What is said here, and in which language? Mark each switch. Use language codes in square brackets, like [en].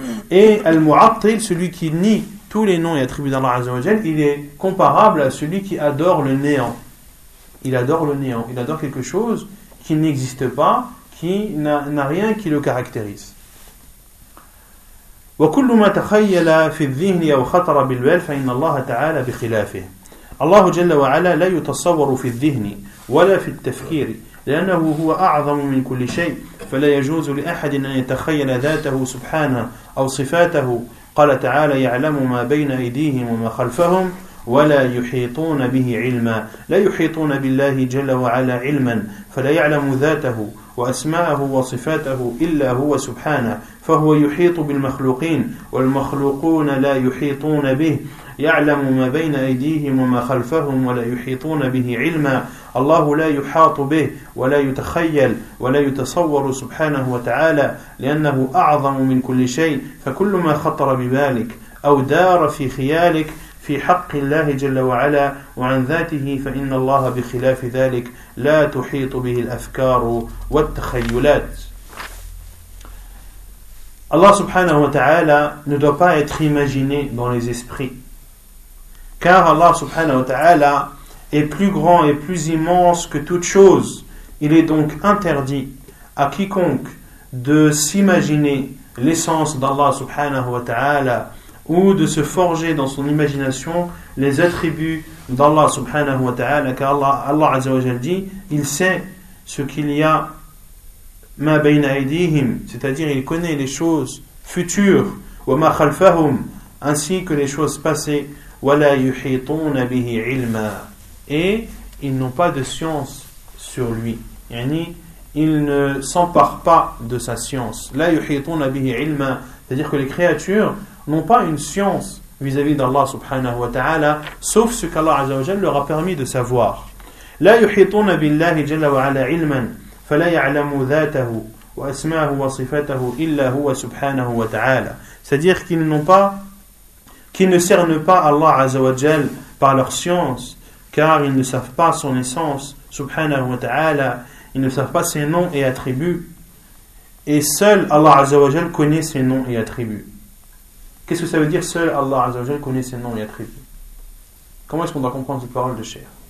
[fr] Et Al-Mu'attil, celui qui nie tous les noms et attributs d'Allah Azza wa Jal, il est comparable à celui qui adore le néant. Il adore le néant, il adore quelque chose qui n'existe pas, qui n'a rien qui le caractérise. [ar] وكل ما تخيل في الذهن أو خطر بالبال فإن الله تعالى بخلافه. الله جل وعلا لا يتصور في الذهن ولا في التفكير لأنه هو أعظم من كل شيء فلا يجوز لأحد أن يتخيل ذاته سبحانه أو صفاته قال تعالى يعلم ما بين أيديهم وما خلفهم ولا يحيطون به علما لا يحيطون بالله جل وعلا علما فلا يعلم ذاته وأسماءه وصفاته إلا هو سبحانه فهو يحيط بالمخلوقين والمخلوقون لا يحيطون به يعلم ما بين أيديهم وما خلفهم ولا يحيطون به علما الله لا يحاط به ولا يتخيل ولا يتصور سبحانه وتعالى لأنه أعظم من كل شيء فكل ما خطر ببالك أو دار في خيالك في حق الله جل وعلا وعن ذاته فإن الله بخلاف ذلك لا تحيط به الأفكار والتخيلات. [fr] الله سبحانه وتعالى ne doit pas être imaginé dans les esprits. Car Allah subhanahu wa ta'ala est plus grand et plus immense que toute chose. Il est donc interdit à quiconque de s'imaginer l'essence d'Allah subhanahu wa ta'ala ou de se forger dans son imagination les attributs d'Allah subhanahu wa ta'ala. Car Allah azza wa jalla dit, il sait ce qu'il y a [ar] ma bayna aydihim, [fr] c'est-à-dire il connaît les choses futures, [ar] wa ma khalfahum, [fr] ainsi que les choses passées. [ar] وَلَا يُحِيطُونَ بِهِ عِلْمًا [fr] et ils n'ont pas de science sur lui. Yani, ils ne s'emparent pas de sa science. [ar] لَا يُحِيطُونَ بِهِ عِلْمًا [fr] c'est-à-dire que les créatures n'ont pas une science vis-à-vis d'Allah subhanahu wa ta'ala sauf ce qu'Allah azza wa jalla leur a permis de savoir. [ar] لَا يُحِيطُونَ بِاللَّهِ جَلَّ وَعَلَى عِلْمًا فَلَا يَعْلَمُ ذَاتَهُ وَأَسْمَاهُ وَصِفَتَهُ إِلَّا هُوَ سُبْحَانَهُ وَتَعَالَى [fr] c'est-à-dire qu'ils n'ont pas qui ne cernent pas Allah Azza wa Jal par leur science, car ils ne savent pas son essence, subhanahu wa ta'ala, ils ne savent pas ses noms et attributs, et seul Allah Azzawajal connaît ses noms et attributs. Qu'est-ce que ça veut dire, seul Allah Azzawajal connaît ses noms et attributs? Comment est-ce qu'on doit comprendre cette parole de Cheikh?